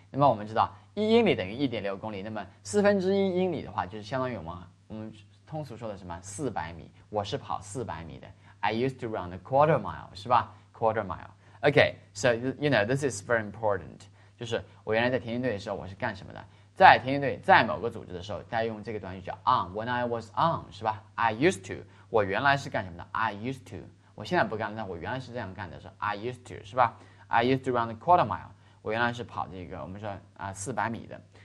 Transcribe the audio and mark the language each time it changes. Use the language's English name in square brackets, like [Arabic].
[Chinese] 那么我们知道1英里等于1.6公里，那么四分之一英里的话，就是相当于我们通俗说的什么400米。我是跑400米的。 [English] I used to run a quarter mile， [Chinese] 是吧？Quarter mile。 [English] OK，so you know this is very important。 [Chinese] 就是我原来在田径队的时候，我是干什么的？在田径队，在某个组织的时候，大家用这个短语叫 on。 [English] When I was on， [Chinese] 是吧？ [English] I used to。 [Chinese] 我原来是干什么的？ [English] I used to。 [Chinese] 我现在不干了，但我原来是这样干的，是 [English] I used to 是吧？I used to run a quarter mile。 [Chinese] 我原来是跑这个，我们说400米的。